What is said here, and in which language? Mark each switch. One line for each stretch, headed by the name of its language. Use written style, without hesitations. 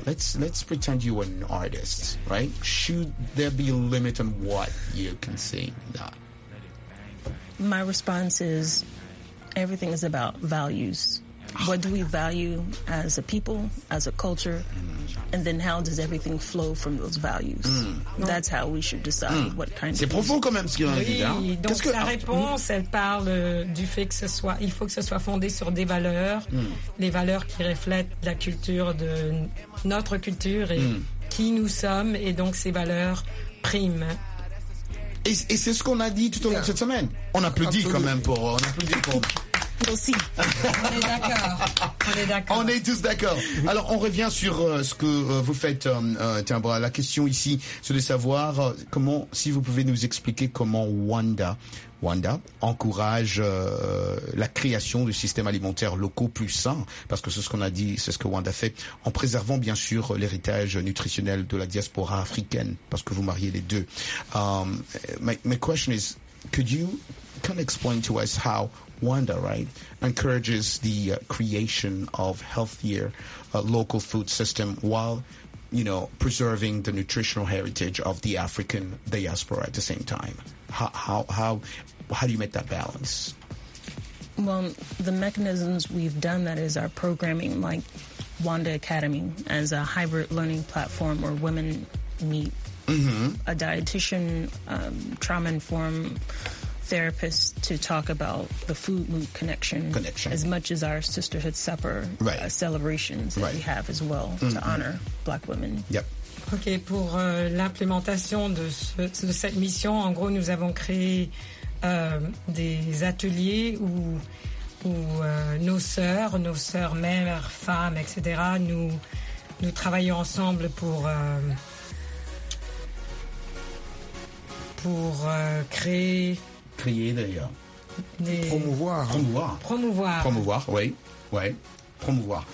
English: Let's pretend you're an artist, right? Should there be a limit on what you can sing? No. My response is, everything is about values. What do we value as a people, as a culture? And then how does everything flow from those values? That's how we should decide what kind
French: of... C'est profond quand même ce qu'il a dit. Donc sa réponse, elle parle du fait que ce soit, il faut que ce soit fondé sur des valeurs, les valeurs qui reflètent la culture de notre culture et qui nous sommes, et donc ces valeurs priment. Et c'est ce qu'on a dit tout au long de cette semaine. On applaudit quand même pour... On applaudit pour... Aussi. On est tous d'accord. Alors, on revient sur ce que vous faites, Timbre. La question ici, c'est de savoir comment, si vous pouvez nous expliquer comment Wanda encourage la création de systèmes alimentaires locaux plus sains, parce que c'est ce qu'on a dit, c'est ce que Wanda fait, en préservant bien sûr l'héritage nutritionnel de la diaspora africaine, parce que vous mariez les deux.
English: My question is, can you explain to us how Wanda, right, encourages the creation of healthier local food system while, you know, preserving the nutritional heritage of the African diaspora at the same time. How do you make that balance? Well, the mechanisms we've done that is our programming, like Wanda Academy as a hybrid learning platform where women meet a dietitian, trauma-informed therapist to talk about the food loop connection as much as our sisterhood supper celebrations that we have as well to honor black women. Yep.
French: OK, pour l'implémentation de cette mission, en gros, nous avons créé des ateliers où nos sœurs, mères, femmes, etc., nous travaillons ensemble pour promouvoir.